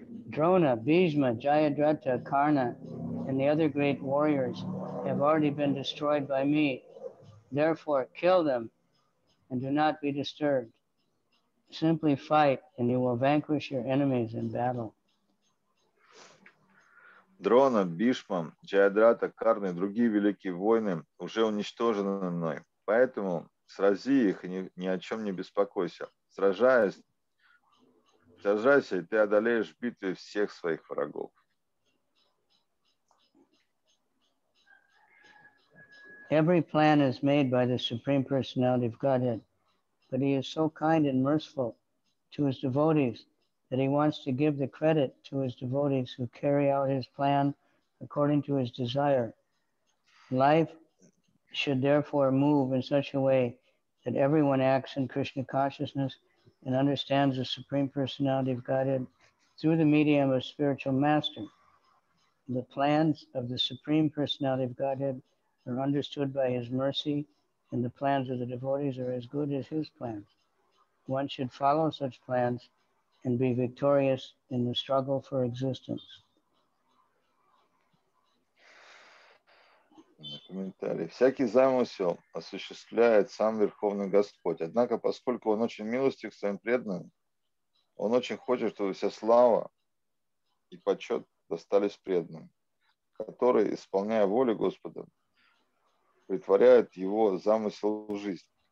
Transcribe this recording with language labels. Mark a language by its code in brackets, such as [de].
[en] Drona, Bhishma, Jayadratha, Karna, and the other great warriors have already been destroyed by me. Therefore, kill them and do not be disturbed. Simply fight and you will vanquish your enemies in battle. [ru] Дрона, Бишма, Джайадрата, Карна и другие великие воины уже уничтожены мной. Поэтому срази их и ни о чем не беспокойся. Сражайся, и ты одолеешь битвы всех своих врагов. [en] Every plan is made by the Supreme Personality of Godhead, but he is so kind and merciful to his devotees that he wants to give the credit to his devotees who carry out his plan according to his desire. Life should therefore move in such a way that everyone acts in Krishna consciousness and understands the Supreme Personality of Godhead through the medium of spiritual master. The plans of the Supreme Personality of Godhead are understood by his mercy, and the plans of the devotees are as good as his plans. One should follow such plans and be victorious in the struggle for existence. [ru] Комментарий. Всякий замысел осуществляет сам Верховный Господь. Однако, поскольку Он очень милостив к своим преданным, Он очень хочет, чтобы вся слава и почет достались преданным, которые, исполняя волю Господа, притворяют Его замысел в жизнь.